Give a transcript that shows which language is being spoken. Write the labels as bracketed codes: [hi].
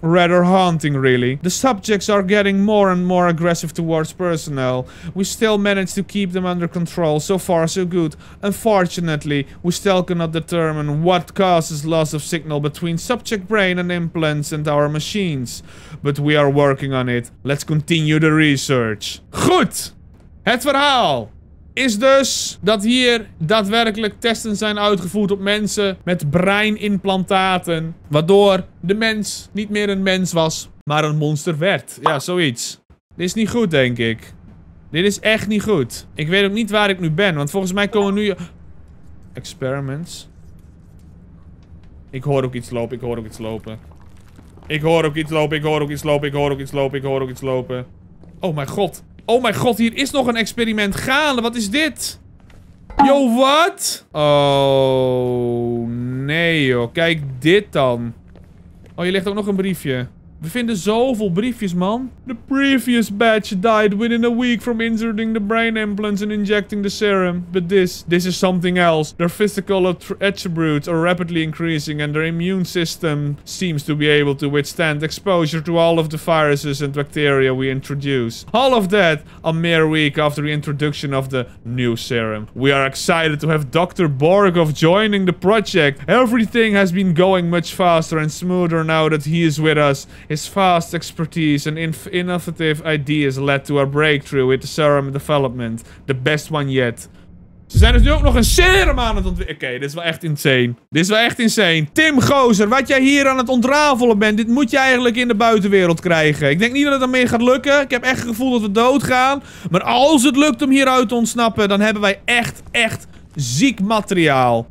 [en] Rather haunting, really. The subjects are getting more and more aggressive towards personnel. We still manage to keep them under control. So far, so good. Unfortunately, we still cannot deter what causes loss of signal between subject brain and implants and our machines. But we are working on it. Let's continue the research. Goed! [nl] Het verhaal is dus dat hier daadwerkelijk testen zijn uitgevoerd op mensen met breinimplantaten. Waardoor de mens niet meer een mens was, maar een monster werd. Ja, zoiets. Dit is niet goed, denk ik. Dit is echt niet goed. Ik weet ook niet waar ik nu ben, want volgens mij komen nu... Experiments... Ik hoor ook iets lopen. Oh mijn god. Oh mijn god, hier is nog een experiment gaande. Wat is dit? Yo, wat? Oh, nee joh. Kijk dit dan. Oh, hier ligt ook nog een briefje. We vinden zoveel briefjes, man. [en] The previous batch died within a week from inserting the brain implants and injecting the serum. But this is something else. Their physical attributes are rapidly increasing and their immune system seems to be able to withstand exposure to all of the viruses and bacteria we introduce. All of that a mere week after the introduction of the new serum. We are excited to have Dr. Borgov joining the project. Everything has been going much faster and smoother now that he is with us. His vast expertise and innovative ideas led to a breakthrough with the serum development. The best one yet. [nl] Ze zijn dus nu ook nog een serum aan het ontwikkelen. Oké, dit is wel echt insane. Tim Gozer, wat jij hier aan het ontrafelen bent, dit moet je eigenlijk in de buitenwereld krijgen. Ik denk niet dat het ermee gaat lukken. Ik heb echt het gevoel dat we doodgaan. Maar als het lukt om hieruit te ontsnappen, dan hebben wij echt, echt ziek materiaal.